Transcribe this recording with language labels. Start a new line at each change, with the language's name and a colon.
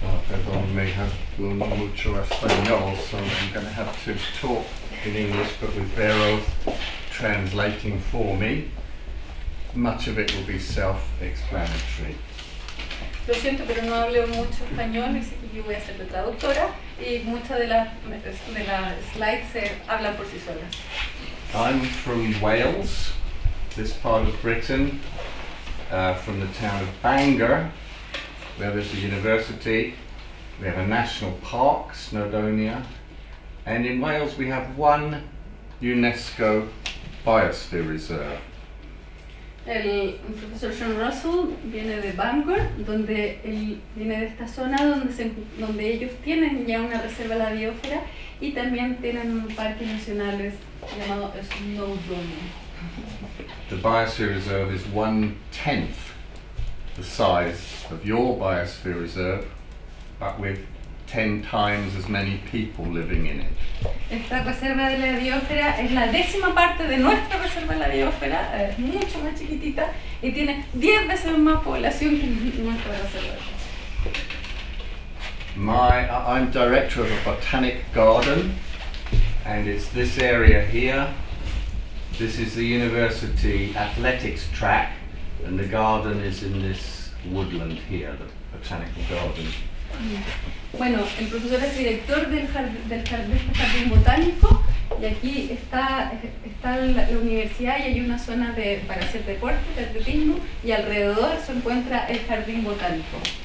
English: Everyone may have learned
Spanish: mucho español,
English: so I'm going to have to talk in English, but with Vero translating for me, much of it will be self-explanatory.
Spanish: Lo siento, pero no hablo mucho español, así que yo voy a ser la traductora, y muchas de las slides se hablan por sí solas.
English: I'm from Wales, this part of Britain, from the town of Bangor, where there's a university. We have a national park, Snowdonia, and in Wales we have one UNESCO biosphere reserve.
Spanish: El profesor Shaun Russell viene de Bangor, donde él viene de esta zona donde ellos tienen ya una reserva de la biosfera y también tienen un parque nacional llamado Snowdonia.
English: The biosphere reserve is 1/10 the size of your biosphere reserve, but with 10 times as many people living in it.
Spanish: Esta reserva de la biosfera es la décima parte de nuestra reserva de la biosfera, es mucho más chiquitita y tiene 10 veces más población que nuestra reserva.
English: I'm director of a botanic garden, and it's this area here. This is the university athletics track, and the garden is in this woodland here, the botanical garden.
Spanish: Bueno, el profesor es director del jardín botánico, y aquí está la universidad y hay una zona para hacer deporte, de atletismo, y alrededor se encuentra el jardín botánico.